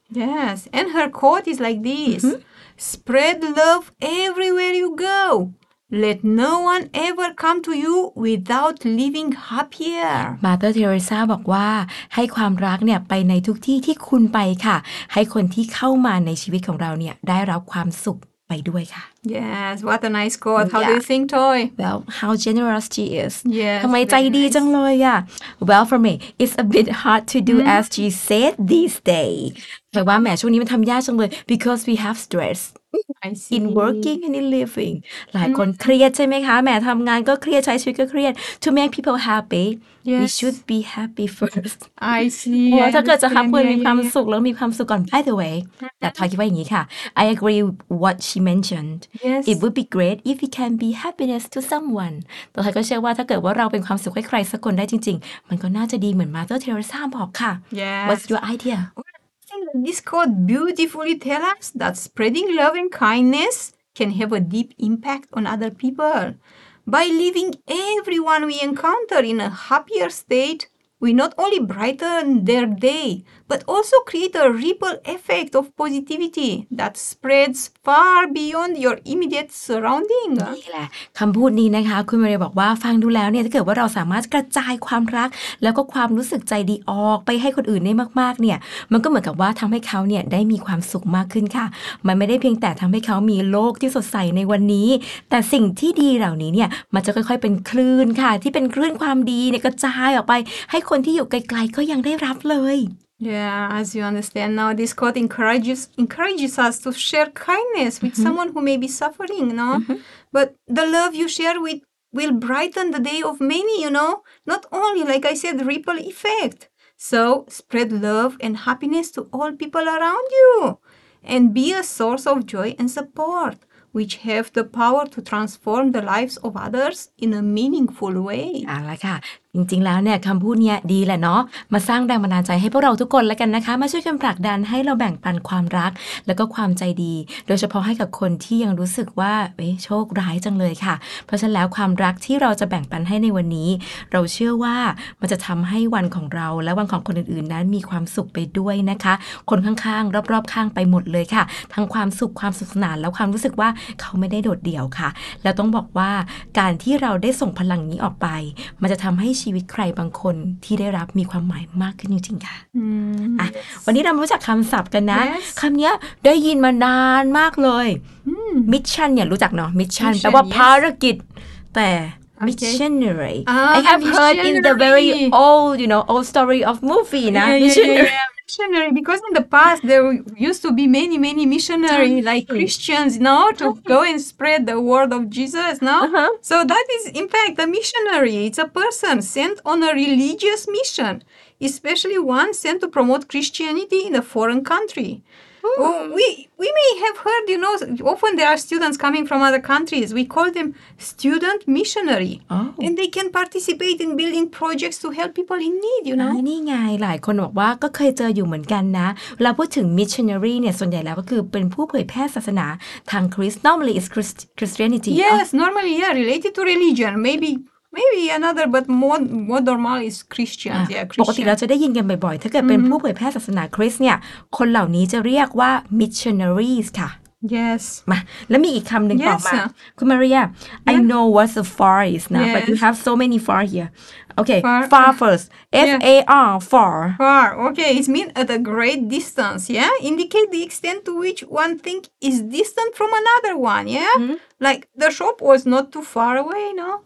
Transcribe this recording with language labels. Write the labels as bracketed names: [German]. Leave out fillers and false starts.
[English] Yes, and her quote is like this. Spread love everywhere you go. Let no one ever come to you without leaving happier. [Thai] Mother Teresa บอกว่าให้ความรักเนี่ยไปในทุกที่ที่คุณไปค่ะให้คนที่เข้ามาในชีวิตของเราเนี่ยได้รับความสุขไปด้วยค่ะ [English] Yes, what a nice quote. How do you think, Toy? Well, how generous she is. Yes. [Thai] ทำไมใจดีจังเลยอ่ะ [English] Well, for me, it's a bit hard to do as she said these days. [Thai] แต่ว่าแหมช่วงนี้มันทำยากจังเลย [English] because we have stress in working and in living [Thai] หลายคนเครียดใช่ไหมคะแหมทำงานก็เครียดใช้ชีวิตก็เครียด [English] to make people happy yes. we should be happy first I see [Thai] ว่าถ้าเกิดจะทำเพื่อมีความสุขแล้วมีความสุขก่อน [English] by the way [Thai] แต่ทอยคิดว่าอย่างนี้ค่ะ [English] I agree with what she mentioned yes. it would be great if we can be happiness to someone [Thai] แต่ทอยก็เชื่อว่าถ้าเกิดว่าเราเป็นความสุขให้ใครสักคนได้จริงๆมันก็น่าจะดีเหมือนมาเตอร์เทเรซ่าบอกค่ะ [English] yes. what's your idea This quote beautifully tells us that spreading love and kindness can have a deep impact on other people. By leaving everyone we encounter in a happier state, we not only brighten their day, but also create a ripple effect of positivity that spreads far beyond your immediate surrounding. [Thai] นี่แหละคำพูดนี้นะคะคุณมาเรียบอกว่าฟังดูแล้วเนี่ยถ้าเกิดว่าเราสามารถกระจายความรักแล้วก็ความรู้สึกใจดีออกไปให้คนอื่นได้มากๆเนี่ยมันก็เหมือนกับว่าทำให้เขาเนี่ยได้มีความสุขมากขึ้นค่ะมันไม่ได้เพียงแต่ทำให้เขามีโลกที่สดใสในวันนี้แต่สิ่งที่ดีเหล่านี้เนี่ยมันจะค่อยๆเป็นคลื่นค่ะที่เป็นคลื่นความดีเนี่ยกระจายออกไปให้คนที่อยู่ไกลๆก็ยังได้รับเลย [English] Yeah, as you understand now, this quote encourages us to share kindness with someone who may be suffering, no? But the love you share with will brighten the day of many, you know? Not only, like I said, ripple effect. So spread love and happiness to all people around you. And be a source of joy and support. which have the power to transform the lives of others in a meaningful way. [Thai] อ่ะล่ะค่ะจริงๆแล้วเนี่ยคำพูดเนี้ยดีแหละเนาะมาสร้างแรงบันดาลใจให้พวกเราทุกคนแล้วกันนะคะมาช่วยกันผลักดันให้เราแบ่งปันความรักแล้วก็ความใจดีโดยเฉพาะให้กับคนที่ยังรู้สึกว่าเอ๊ะโชคร้ายจังเลยค่ะเพราะฉะนั้นแล้วความรักที่เราจะแบ่งปันให้ในวันนี้เราเชื่อว่า มันจะทำให้วันของเราและวันของคนอื่นๆนั้นมีความสุขไปด้วยนะคะคนข้างๆรอบๆข้างไปหมดเลยค่ะทั้งความสุขความสุขสนานและความรู้สึกว่าเขาไม่ได้โดดเดี่ยวค่ะแล้วต้องบอกว่าการที่เราได้ส่งพลังนี้ออกไปมันจะทำให้ชีวิตใครบางคนที่ได้รับมีความหมายมากขึ้นจริงๆค่ะวันนี้เรารู้จักคำศัพท์กันนะ [English] yes. [Thai] คำนี้ได้ยินมานานมากเลยมิชชั่นเนี่ยรู้จักเนาะมิชชั่นแปลว่าภารกิจแต่ [English] Okay. Missionary. I have heard in the very old, you know, old story of movie, yeah, missionary. Yeah, yeah, yeah. missionary, because in the past there used to be many, many missionary like Christians, you know, to go and spread the word of Jesus, no? Uh-huh. So that is, in fact, a missionary. It's a person sent on a religious mission, especially one sent to promote Christianity in a foreign country. We may have heard, you know, often there are students coming from other countries. We call them student missionary. Oh. And they can participate in building projects to help people in need, you know. [Thai] นี่ไงหลายคนบอกว่าก็เคยเจออยู่เหมือนกันนะเราพูดถึง missionary เนี่ยส่วนใหญ่แล้วก็คือเป็นผู้เผยแพร่ศาสนาทางคริสต์ [English] normally is Christianity. Yes, normally, yeah, related to religion, maybe. Maybe another, but more normal is Christians. Yeah, Christian. [Thai] ปกติเราจะได้ยินกันบ่อยๆถ้าเกิดเป็นผู้เผยแพร่ศาสนาคริสต์เนี่ยคนเหล่านี้จะเรียกว่า missionaries ค่ะ [English] Yes. [Thai] มาแล้วมีอีกคำหนึ่ง [English] yes, [Thai] ต่อมา [English] คุณมาเรีย I know what the far is นะ yes. but you have so many far here. Okay, far first. F-A-R, far. Far, okay. It means at a great distance, yeah? Indicate the extent to which one thing is distant from another one, yeah? Mm-hmm. Like the shop was not too far away, no?